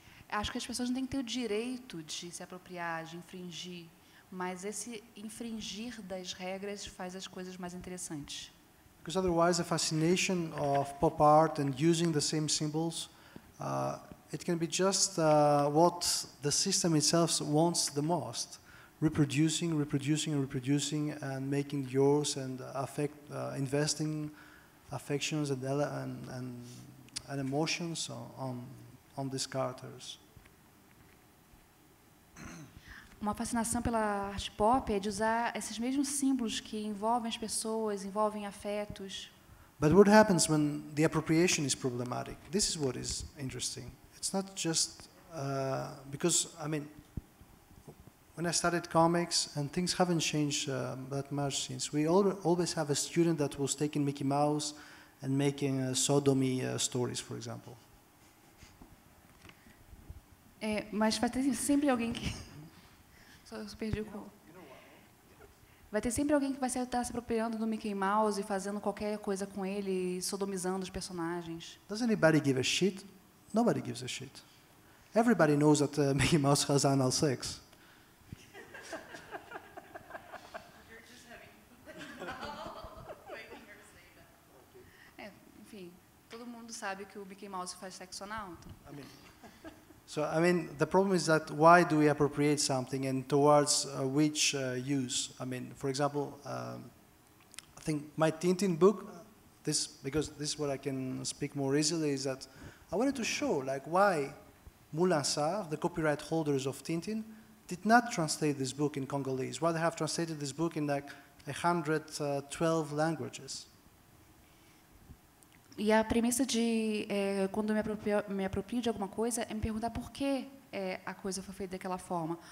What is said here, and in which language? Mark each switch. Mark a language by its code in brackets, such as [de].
[pt] Acho que as pessoas não têm que ter o direito de se apropriar, de infringir, mas esse infringir das regras faz as coisas mais interessantes. [en] Because otherwise, the fascination of pop art and using the same symbols, it can be just what the system itself wants the most, reproducing, reproducing, and reproducing, and making yours and affect, investing affections and emotions on these characters. [pt] Uma fascinação pela arte pop é de usar esses mesmos símbolos que envolvem as pessoas, envolvem afetos. [en] But what happens when the appropriation is problematic? This is what is interesting. It's not just because, I mean, when I started comics, and things haven't changed that much since. We always have a student that was taking Mickey Mouse and making sodomy stories, for example. [pt] É, mas vai ter sempre alguém que só eu perdi o call. Vai ter sempre alguém que vai estar se apropriando do Mickey Mouse e fazendo qualquer coisa com ele, sodomizando os personagens. [en] Does anybody give a shit? Nobody gives a shit. Everybody knows that Mickey Mouse has anal sex. [pt] É, enfim, todo mundo sabe que o Mickey Mouse faz sexo anal. Então. [en] So, I mean, the problem is that why do we appropriate something and towards which use? I mean, for example, I think my Tintin book, this because this is what I can speak more easily, is that I wanted to show like why Moulin Sarr, the copyright holders of Tintin, did not translate this book in Congolese, why they have translated this book in like 112 languages. [pt] E a premissa de quando me aproprio de alguma coisa é me perguntar por que a coisa foi feita daquela forma.